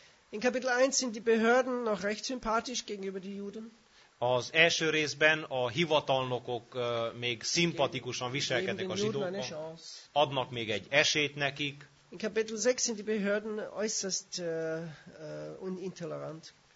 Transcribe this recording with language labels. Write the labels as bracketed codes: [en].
[de] In Kapitel 1 sind die Behörden noch recht sympathisch gegenüber die Juden. [hu] Az első részben a hivatalnokok még szimpatikusan viselkednek a zsidókkal, adnak még egy esélyt nekik. [de] In Kapitel 6 sind die Behörden äußerst intolerant.